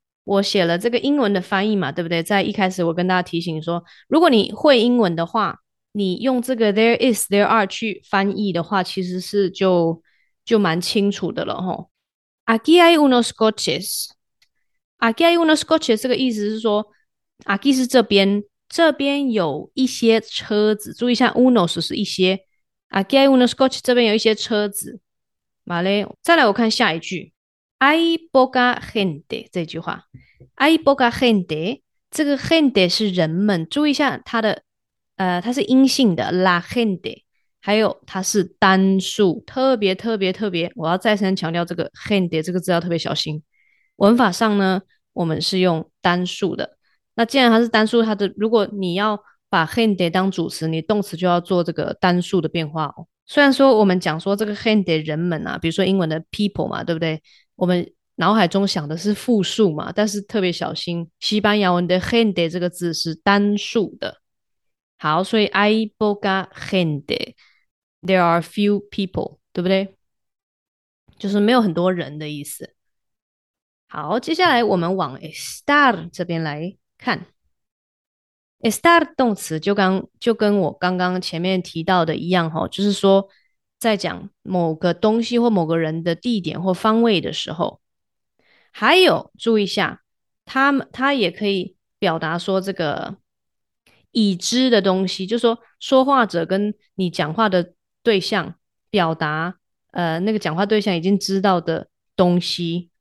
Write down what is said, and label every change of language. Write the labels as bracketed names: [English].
[Chinese] 我写了这个英文的翻译嘛，对不对？在一开始我跟大家提醒说，如果你会英文的话，你用这个 [English] there is there are [Chinese] 去翻译的话，其实是就蛮清楚的了吼。 [Spanish] Aquí hay unos coches. [Chinese] Aquí hay unos coches 这个意思是说，aquí 是这边，这边有一些车子。注意一下，unos 是一些。 [Spanish] Aquí hay unos coches [Chinese] 这边有一些车子。 Vale，再来我看下一句。 [Spanish] Hay poca gente [Chinese] 这句话，Hay poca gente 这个 gente 是人们，注意一下它的，它是阴性的 [Spanish] la gente， [Chinese] 还有它是单数，特别，我要再三强调这个 gente 这个字要特别小心。文法上呢，我们是用单数的，那既然它是单数，它的如果你要把 gente 当主词，你动词就要做这个单数的变化哦。虽然说我们讲说这个 gente 人们啊，比如说英文的 people 嘛，对不对？我们脑海中想的是复数嘛，但是特别小心，西班牙文的 gente 这个字是单数的。好，所以 [Spanish] hay poca gente， [English] there are few people， [Chinese] 对不对？就是没有很多人的意思。好，接下来我们往 estar 这边来看，estar 动词就跟我刚刚前面提到的一样哈，就是说。在讲某个东西或某个人的地点或方位的时候，还有注意一下，他也可以表达说这个已知的东西，就说说话者跟你讲话的对象表达，那个讲话对象已经知道的东西。